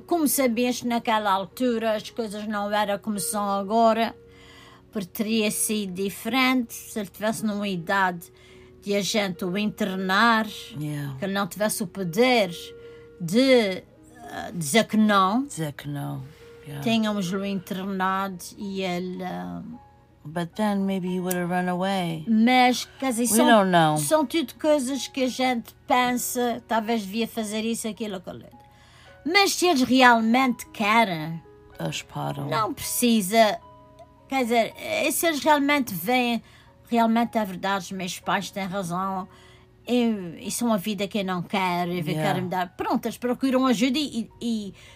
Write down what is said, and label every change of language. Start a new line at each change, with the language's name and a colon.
Portuguese: Como sabias que naquela altura as coisas não eram como são agora, porque teria sido diferente se ele estivesse numa idade de a gente o internar, que ele não tivesse o poder de dizer que não. Dizer que não. Yeah. Tínhamos-lo internado e ele...
English: But then maybe he would have run away.
Portuguese: Mas, quer dizer,
English: we don't know.
Portuguese: São tudo coisas que a gente pensa, talvez devia fazer isso, aquilo, aquilo. Mas se eles realmente querem... Eles param. Não precisa... Quer dizer, se eles realmente veem, realmente é verdade, os meus pais têm razão, isso é uma vida que eu não quero, e querem me dar. Pronto, eles procuram ajuda e